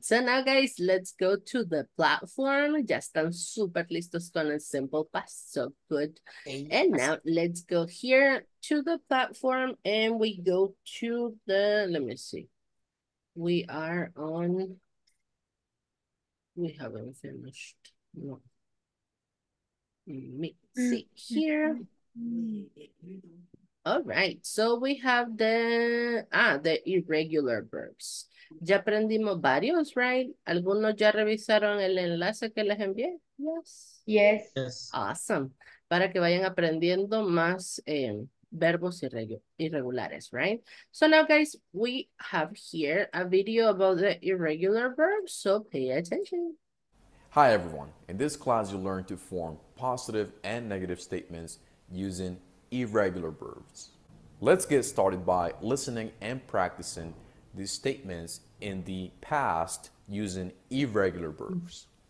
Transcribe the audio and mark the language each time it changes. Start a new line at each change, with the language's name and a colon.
English: So now, guys, let's go to the platform.
Spanish: Ya están super listos con el simple past.
English: So good. And now let's go here to the platform and we go to the, let me see. We are on, we haven't finished. No. Let me see here. All right, so we have the irregular verbs.
Spanish: Ya aprendimos varios,
English: right?
Spanish: ¿Algunos ya revisaron el enlace que les envié?
English: Yes. Awesome.
Spanish: Para que vayan aprendiendo más verbos irregulares,
English: right? So now, guys, we have here a video about the irregular verbs, so pay attention. Hi, everyone. In this class, you learn to form positive and negative statements using irregular verbs. Let's get started by listening and practicing these statements in the past using irregular verbs.